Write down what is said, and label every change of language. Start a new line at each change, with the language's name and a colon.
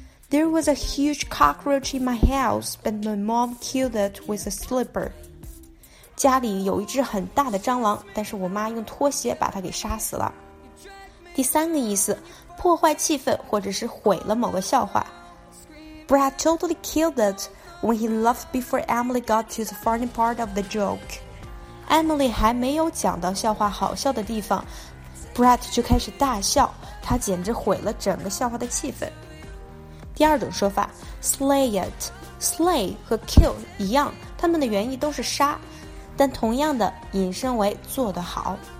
English: There was a huge cockroach in my house, but my mom killed it with a slipper.
Chinese: 家里有一只很大的蟑螂，但是我妈用拖鞋把它给杀死了。第三个意思，破坏气氛或者是毁了某个笑话。
English: Brad totally killed it. When he left before Emily got to the funny part of the joke.
Chinese: Emily 还没有讲到笑话好笑的地方， Brad 就开始大笑，他简直毁了整个笑话的气氛。第二种说法， slay it， slay 和 kill 一样，他们的原意都是杀，但同样的引申为做得好。